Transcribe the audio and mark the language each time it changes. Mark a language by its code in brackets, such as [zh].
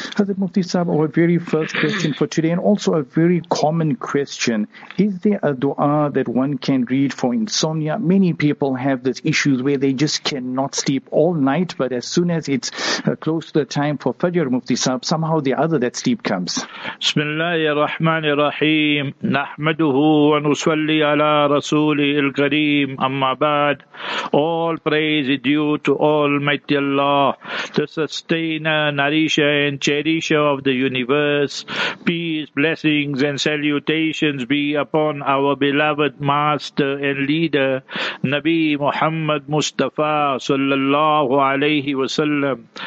[en] Hazrat Mufti Sahib, our very first question for today, and also a very common question: is there a dua that one can read for insomnia? Many people have this issue where they just cannot sleep all night, but as soon as it's close to the time for Fajr, Mufti Sahib, somehow the other that sleep comes. [ar] بسم الله الرحمن الرحيم نحمده ونصلي على رسوله الكريم أما بعد. [en] All praise is due to Almighty Allah, the sustainer, nourisher and cherisher of the universe. Peace, blessings and salutations be upon our beloved master and leader, Nabi Muhammad Mustafa sallallahu alayhi wa sallam.